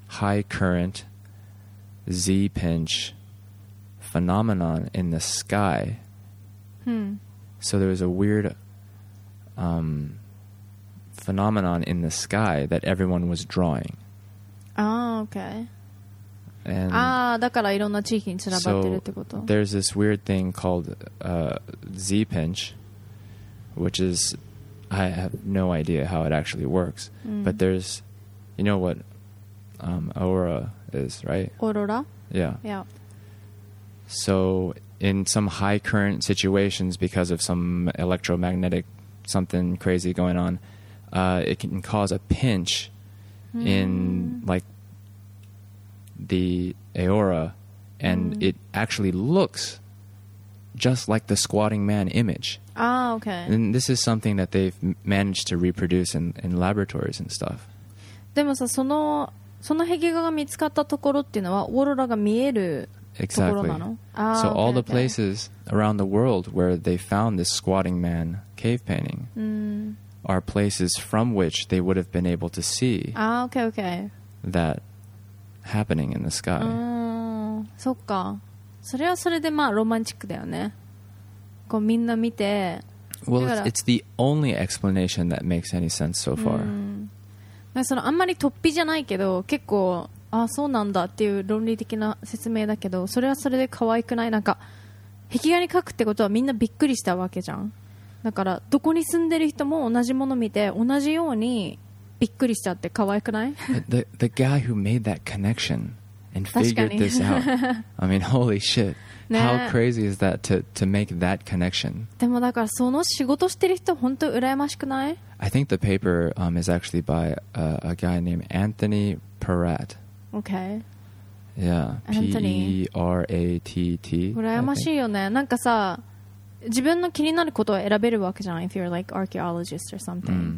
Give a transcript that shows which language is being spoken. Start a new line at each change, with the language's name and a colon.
English: high current Z pinch phenomenon in the sky、 hmm. so there was a weird、phenomenon in the sky that everyone was drawing. Ah, okay. And
Japanese: ah, だからいろんな地域に散らばってるってこと。
English: So there's this weird thing called、Z pinch, which is I have no idea how it actually works、 hmm. but there's, you know whatAurora is, right? Aurora? Yeah. Yeah. So in some high current situations, because of some electromagnetic something crazy going on,、it can cause a pinch、mm. in like the aura, and、mm. it actually looks just like the squatting man image. Ah, okay. And this is something that they've managed to reproduce in laboratories and stuff.
Japanese: でもさ、そのその壁画が見つかったところっていうのはオーロラが見えるところなの、
English: exactly. So all the places around the world where they found this squatting man cave painting、 mm. are places from which they would have been able to see、 okay, okay. that happening in the sky.
Japanese: そっか。それはそれでまあロマンチックだよね。こうみんな見て。
English: Well, it's the only explanation that makes any sense so far.、 Mm.
Japanese: そのあんまり突飛じゃないけど、結構あそうなんだっていう論理的な説明だけど、それはそれで可愛くない？なんか壁画に描くってことはみんなびっくりしたわけじゃん。だからどこに住んでる人も同じもの見て同じようにびっくりしちゃって可愛くない？
English: The guy who made that connection and figured this out. I mean, holy shit.、
Japanese: ね、
English: How crazy is that to make that connection?
Japanese: でもだからその仕事してる人本当羨ましくない？
English: I think the paper、is actually by、a guy named Anthony Perrett. Okay. Yeah. Anthony. P-E-R-A-T-T.
Japanese: 羨ましいよね。なんかさ、自分の気になることを選べるわけじゃない。
English: If you're like archaeologist or something.、